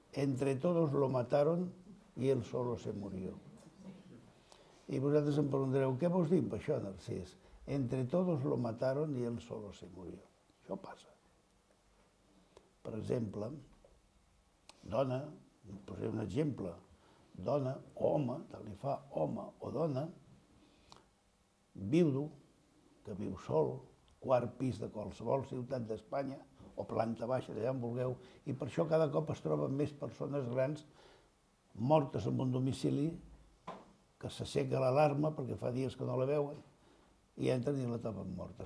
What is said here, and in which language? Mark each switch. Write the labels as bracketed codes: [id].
[es] Entre todos lo mataron y él solo se murió. [ca] I vosaltres em preguntareu, què vols dir amb això, Narcís? [es] Entre todos lo mataron y él solo se murió. [ca] Això passa. Per exemple, dona, posaré un exemple, dona o home, tant li fa, home o dona, viudo, que viu sol, quart pis de qualsevol ciutat d'Espanya, o planta baixa, allà on vulgueu, i per això cada cop es troben més persones grans mortes en un domicili que s'aixeca l'alarma perquè fa dies que no la veuen i entren i la topen morta.